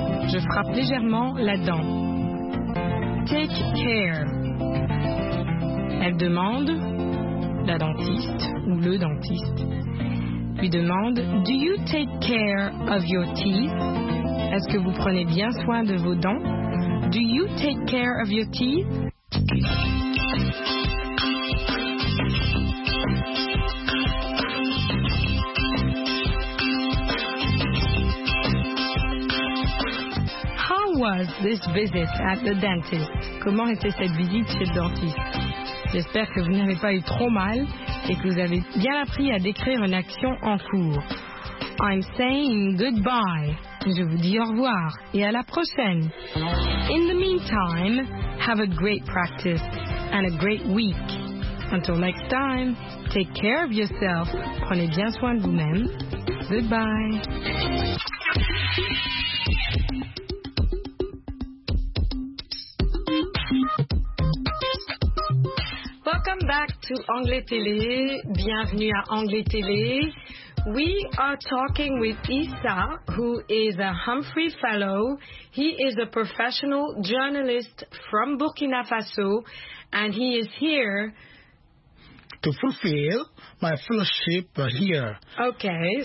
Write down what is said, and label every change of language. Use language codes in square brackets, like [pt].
[fr] Je frappe légèrement la dent. [en] Take care. [fr] Elle demande, la dentiste ou le dentiste, lui demande, [en] do you take care of your teeth? [fr] Est-ce que vous prenez bien soin de vos dents? [en] Do you take care of your teeth? How was this visit at the dentist? [fr] Comment était cette visite chez le dentiste? J'espère que vous n'avez pas eu trop mal et que vous avez bien appris à décrire une action en cours. [en] I'm saying goodbye. [fr] Je vous dis au revoir et à la prochaine. [en] In the meantime, have a great practice and a great week. Until next time, take care of yourself. [fr] Prenez bien soin de vous-même. [en] Goodbye. Back to Anglais Télé. [fr] Bienvenue à Anglais Télé. [en] We are talking with Issa, who is a Humphrey Fellow. He is a professional journalist from Burkina Faso, and he is here to fulfill my fellowship here. Okay.